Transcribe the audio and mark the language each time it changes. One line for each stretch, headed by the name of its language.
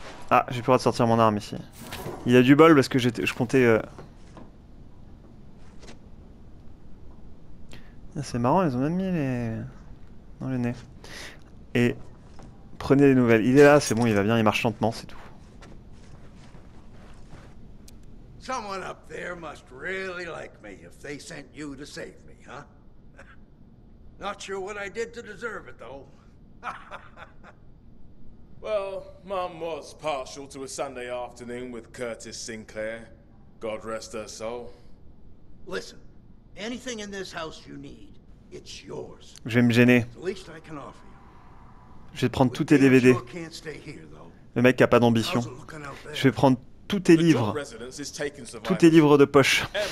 French: Ah, j'ai plus le droit de sortir mon arme ici. Il a du bol parce que je comptais... C'est marrant, ils ont même mis les... dans le nez. Et... prenez des nouvelles. Il est là, c'est bon, il va bien, il marche lentement, c'est tout.
English: Someone up there must really like me if they sent you to save me, huh? Not sure what I did to deserve it, though. Well, Mom was partial to a Sunday afternoon with Curtis Sinclair. God rest her soul. Listen, anything in this house you need, it's yours.
French: Je vais me gêner.
English: The least I can offer you.
French: Je vais prendre tous tes DVD.
English: Can't stay here, though.
French: Le mec a pas d'ambition. Je vais prendre tous tes livres. Tous tes livres de poche.